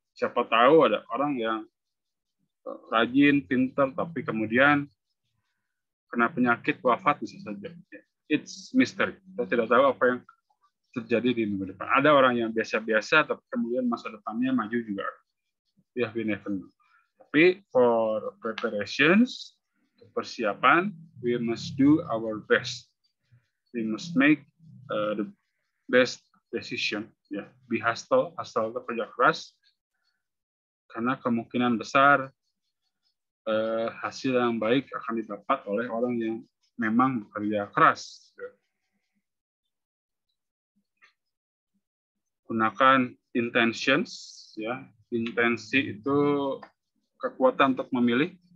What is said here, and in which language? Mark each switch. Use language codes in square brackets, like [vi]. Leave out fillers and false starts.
[id] Siapa tahu ada orang yang rajin, pintar, tapi kemudian kena penyakit wafat bisa saja. [en] It's mystery. [id] Kita tidak tahu apa yang terjadi di masa depan. Ada orang yang biasa-biasa, tapi kemudian masa depannya maju juga. [en] We have never known. [id] Tapi [en] for preparations, [id] persiapan, [en] we must do our best. We must make the best decision, ya, yeah. Be hustle [id] bekerja keras, karena kemungkinan besar hasil yang baik akan didapat oleh orang yang memang bekerja keras. Yeah. Gunakan intentions, ya, yeah. Intensi itu kekuatan untuk memilih.